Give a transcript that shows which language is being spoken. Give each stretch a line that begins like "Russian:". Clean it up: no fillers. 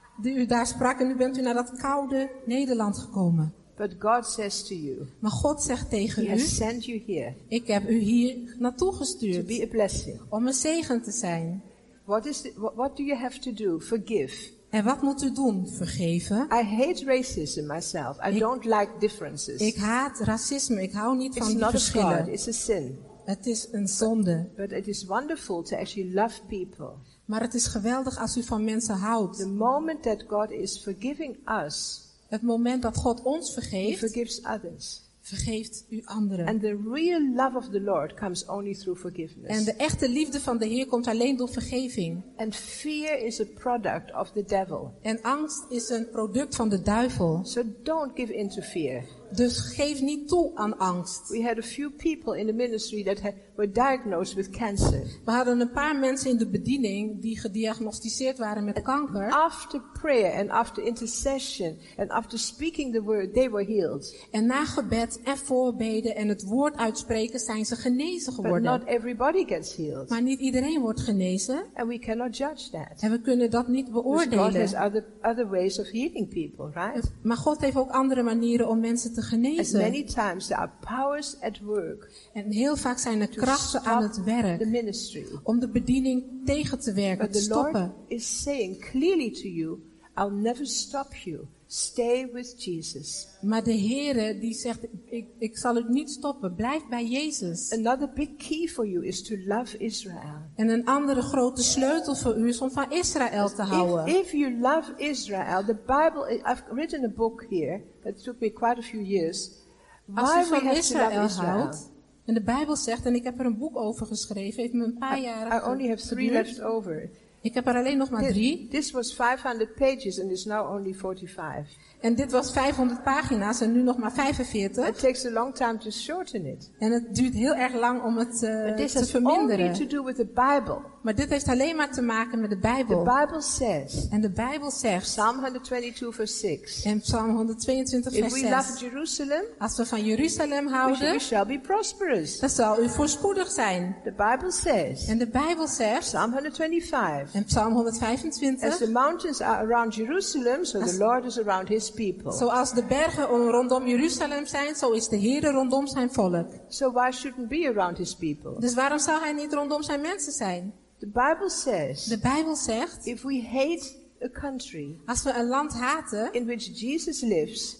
Dutch: Die u daar sprak en nu bent u naar dat koude Nederland gekomen.
English: But God says to you,
Dutch: maar God zegt tegen
English: u, sent you here,
Dutch: ik heb u hier naartoe gestuurd
English: to be a blessing.
Dutch: Om een zegen te zijn.
English: What do you have to do? Forgive.
Dutch: En wat moet u doen? Vergeven.
English: I hate racism myself. I don't like differences.
Dutch: Ik haat racisme. Ik hou niet van
English: It's
Dutch: die verschillen.
English: God, it's a sin.
Dutch: Het is een zonde.
English: But it is wonderful to actually love people.
Dutch: Maar het is geweldig als u van mensen houdt.
English: The moment that God is forgiving us.
Dutch: Het moment dat God ons vergeeft.
English: He forgives others.
Dutch: Vergeeft u anderen.
English: And the real love of the Lord comes only through forgiveness.
Dutch: En de echte liefde van de Heer komt alleen door vergeving.
English: And fear is a product of the devil.
Dutch: En angst is een product van de duivel.
English: So don't give in to fear.
Dutch: Dus geef niet toe aan angst.
English: We had a few people in the ministry that were diagnosed with cancer.
Dutch: We hadden een paar mensen in de bediening die gediagnosticeerd waren met kanker.
English: After prayer and after intercession and after speaking the word, they were healed.
Dutch: En na gebed en voorbeden en het woord uitspreken zijn ze genezen geworden.
English: But not everybody gets healed.
Dutch: Maar niet iedereen wordt genezen.
English: And we cannot judge that.
Dutch: En we kunnen dat niet beoordelen.
English: Because God has other ways of healing people, right?
Dutch: Maar God heeft ook andere manieren om mensen te genezen.
English: As many times there are powers at work.
Dutch: En heel vaak zijn er krachten aan het werk.
English: The ministry.
Dutch: Om de bediening tegen te werken,
English: But
Dutch: te stoppen.
English: The Lord is saying clearly to you, I'll never stop you. Stay with Jesus.
Dutch: Maar de Heere die zegt, ik zal het niet stoppen. Blijf bij Jezus.
English: Another big key for you is to love Israel.
Dutch: En een andere grote sleutel voor u is om van Israël te houden.
English: If you love Israel, the Bible, I've written a book here that took me quite a few years. Why we have Israel to love Israel?
Dutch: Houdt, en de Bijbel zegt, en ik heb er een boek over geschreven, heeft me een paar jaren geduurd.
English: I only have three left over.
Dutch: Ik heb er alleen nog maar drie.
English: This was 500 pages and it's now only 45.
Dutch: En dit was 500 pagina's en nu nog maar 45.
English: It takes a long time to shorten it.
Dutch: En het duurt heel erg lang om het te verminderen.
English: But this has only to do with the Bible.
Dutch: Maar dit heeft alleen maar te maken met de Bijbel.
English: The Bible says.
Dutch: En de Bijbel zegt. Psalm 122 vers 6. En Psalm 122 vers 6.
English: If we love Jerusalem,
Dutch: als we van Jeruzalem houden,
English: we shall be prosperous.
Dutch: Dan zal u voorspoedig zijn.
English: The Bible says.
Dutch: En de Bijbel zegt.
English: Psalm 125.
Dutch: En Psalm 125.
English: As the mountains are around Jerusalem, so the Lord is around His people.
Dutch: Zoals de bergen rondom Jeruzalem zijn, zo is de Heer rondom zijn volk.
English: So why shouldn't be around His people?
Dutch: Dus waarom zou Hij niet rondom zijn mensen zijn?
English: The Bible says.
Dutch: De Bijbel zegt.
English: If we hate a country,
Dutch: als we een land haten,
English: in which Jesus lives,